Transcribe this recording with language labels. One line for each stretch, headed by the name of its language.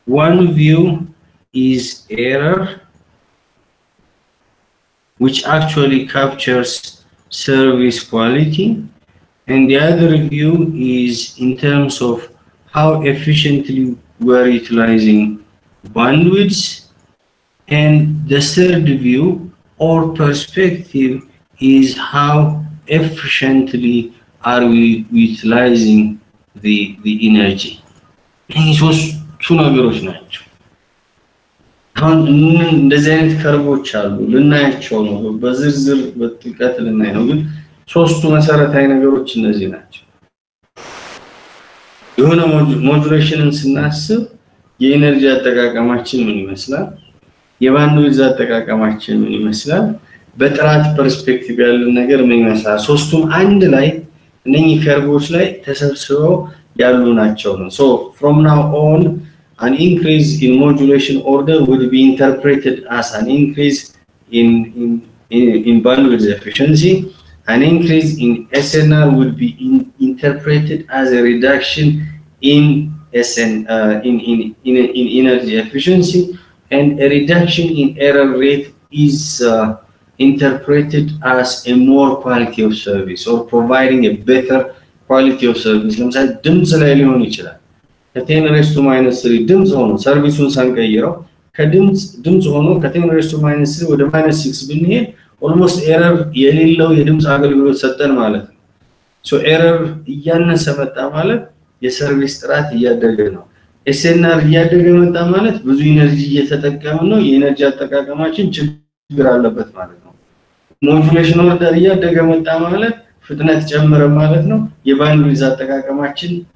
English: one view is error which actually captures service quality, and the other view is in terms of how efficiently we are utilizing bandwidth, and the third view or perspective is how efficiently are we utilizing the energy. And it was two numbers now.
Amharic: እንደዚህ አይነት ከርቦች አሉ፣ ልናያቸው ነው፣ በዝርዝር በጥልቀት ልናይ ነው። ግን ሶስቱ መሰረታዊ ነገሮች እነዚህ ናቸው። የሆነ ሞጁሌሽንን ስናስብ የኢነርጂ አጠቃቀማችን ምን ይመስላል፣ የባንድዊድዝ አጠቃቀማችን ምን ይመስላል፣ በጥራት ፐርስፔክቲቭ ያለን ነገር ምን ይመስላል። ሶስቱም አንድ ላይ እነኚህ ከርቦች ላይ ተሰብስበው ያሉ ናቸው ነው።
English: ሶ ፍሮም ናው ኦን an increase in modulation order would be interpreted as an increase in bandwidth efficiency. An increase in SNR would be interpreted as a reduction in in energy efficiency, and a reduction in error rate is interpreted as a more quality of service or providing a better quality of service.
Amharic: ለምሳሌ ድምጽ ላይ ሊሆን ይችላል። ከቴንሬስቱ ማይነስ ስሪ ድምፅ ሆኖ ሰርቪሱን ሳንቀይረው ከድምፅ ሆኖ ከቴንሬስቱ ማይነስ ስሪ ወደ ማይነስ ሲክስ ብንሄድ ኦልሞስት ኤረር የሌለው የድምፅ አገልግሎት ሰጠን ማለት ነው። ኤረር እያነሰ መጣ ማለት የሰርቪስ ጥራት እያደገ ነው። ኤስኤንአር እያደገ መጣ ማለት ብዙ ኢነርጂ እየተጠቀምን ነው፣ የኤነርጂ አጠቃቀማችን ችግር አለበት ማለት ነው። ሞጁሌሽን ኦርደር እያደገ መጣ ማለት ፍጥነት ጨመረ ማለት ነው፣ የባንድዊድዝ አጠቃቀማችን